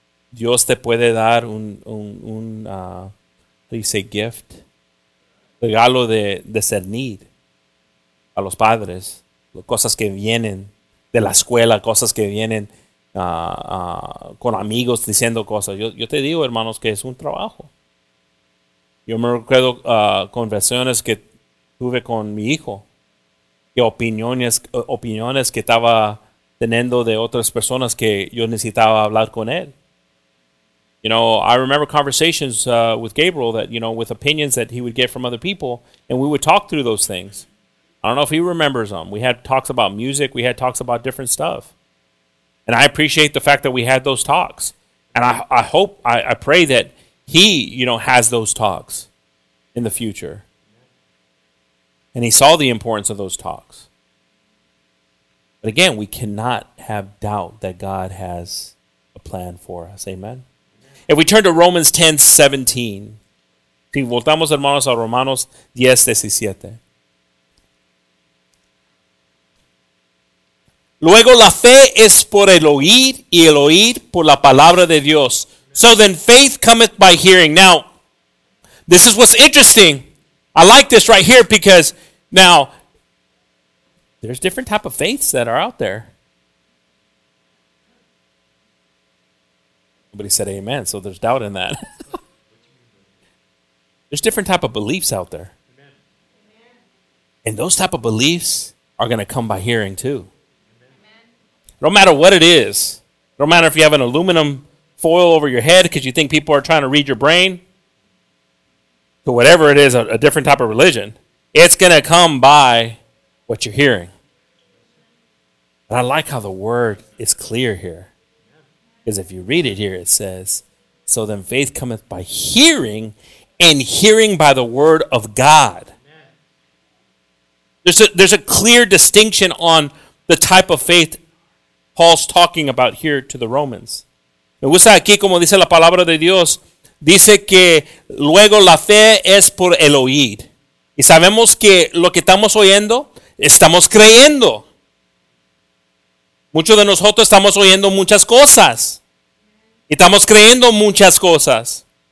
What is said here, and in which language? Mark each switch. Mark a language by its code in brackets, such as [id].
[es] Dios te puede dar un gift, regalo de discernir a los padres, cosas que vienen de la escuela, cosas que vienen con amigos diciendo cosas. Yo te digo, hermanos, que es un trabajo. Yo me recuerdo conversaciones que tuve con mi hijo y opiniones que estaba teniendo de otras personas que yo necesitaba hablar con él. [en] You know, I remember conversations with Gabriel that, you know, with opinions that he would get from other people, and we would talk through those things. I don't know if he remembers them. We had talks about music. We had talks about different stuff. And I appreciate the fact that we had those talks. And I pray that he, you know, has those talks in the future. And he saw the importance of those talks. But again, we cannot have doubt that God has a plan for us. Amen? If we turn to Romans 10:17. [es] Si voltamos, hermanos, a Romanos 10:17. Luego la fe es por el oír y el oír por la palabra de Dios. [en] So then faith cometh by hearing. Now, this is what's interesting. I like this right here because now, there's different type of faiths that are out there. Nobody said amen, so there's doubt in that. There's different type of beliefs out there. And those type of beliefs are going to come by hearing too. No matter what it is, no matter if you have an aluminum foil over your head because you think people are trying to read your brain, to whatever it is, a different type of religion, it's going to come by what you're hearing. But I like how the word is clear here. Because if you read it here, it says, so then faith cometh by hearing, and hearing by the word of God. There's a clear distinction on the type of faith Paul's talking about here to the Romans. [es] Me gusta aquí como dice la palabra de Dios. Dice que luego la fe es por el oír. Y sabemos que lo que estamos oyendo, estamos creyendo. Muchos de nosotros estamos oyendo muchas cosas. Y estamos creyendo muchas cosas.